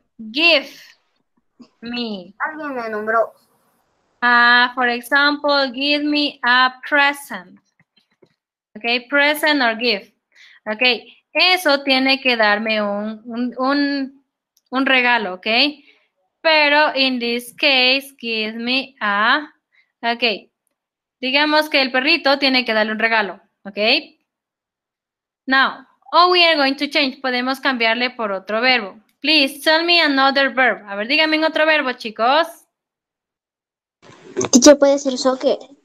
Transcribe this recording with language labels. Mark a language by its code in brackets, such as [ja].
[en] Give me. [es] Alguien me nombró. [en] For example, give me a present. Okay, present or give. [es] Okay, eso tiene que darme un regalo, okay? Pero [en] in this case, give me a, okay. [es] Digamos que el perrito tiene que darle un regalo, okay? [en] Now, oh, we are going to change. [es] Podemos cambiarle por otro verbo. [en] Please tell me another verb. [es] A ver, díganme otro verbo, chicos. [en] Teacher, [es] puede ser soccer.